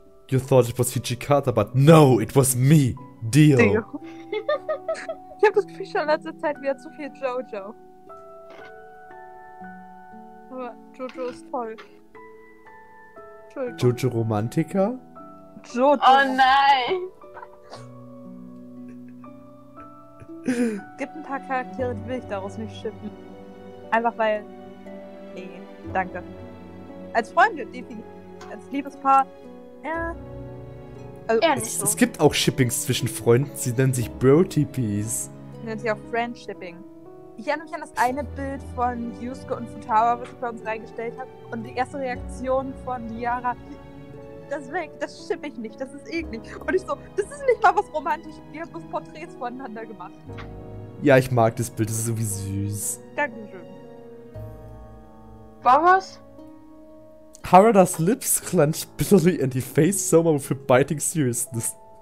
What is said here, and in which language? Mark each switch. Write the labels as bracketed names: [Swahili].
[English] You thought it was Hijikata, but no, it was me, Dio. [German] Ich hab das Gefühl, schon in letzter Zeit wieder zu viel Jojo. Aber Jojo ist toll. Jojo Romantica? Jojo. Oh nein! Es gibt ein paar Charaktere, die will ich daraus nicht shippen. Einfach weil... Nee, danke. Als Freunde, definitiv. Als Liebespaar, ja. Also, es gibt auch Shippings zwischen Freunden, sie nennen sich Bro-TPs. Sie nennen sich auch Friendshipping. Ich erinnere mich an das eine Bild von Yusuke und Futaba, was ich bei uns reingestellt habe. Und die erste Reaktion von Liara... Das weg, das schippe ich nicht, das ist eklig. Und ich so, das ist nicht mal was Romantisches, wir haben uns Porträts voneinander gemacht. Ja, ich mag das Bild, das ist irgendwie süß. Dankeschön. War was? [English] Harada's lips clench bitterly and he faced Soma with a biting seriousness.